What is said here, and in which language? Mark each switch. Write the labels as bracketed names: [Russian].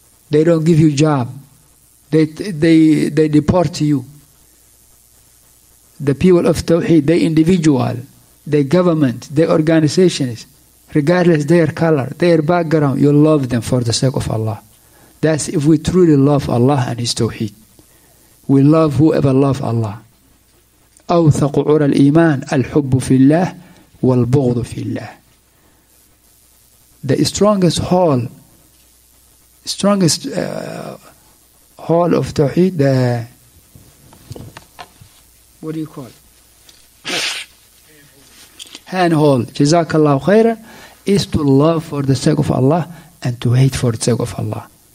[English] They don't give you job. They deport you. The people of Tawheed, the individual, the government, the organizations, regardless their color, their background, you love them for the sake of Allah. That's if we truly love Allah and His Tawheed. We love whoever loves Allah. [Arabic] أوثق عرى الإيمان الحب في الله والبغض في الله. [English] The strongest hall of Tawheed, the, what do you call it? Hand hall. Jazakallahu khairan, is to love for the sake of Allah and to hate for the sake of Allah.